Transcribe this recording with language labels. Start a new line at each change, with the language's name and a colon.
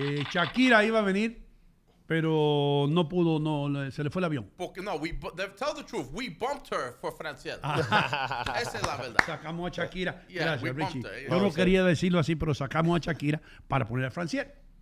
Spanish: Shakira iba a venir, pero no pudo, no se le fue el avión. Porque no,
English: tell the truth, we bumped her for Franciel.
Spanish: Esa es la verdad. Sacamos a Shakira. Gracias, yeah, Richie. Her, yeah. Yo no quería decirlo así, pero sacamos a Shakira para poner a Franciel.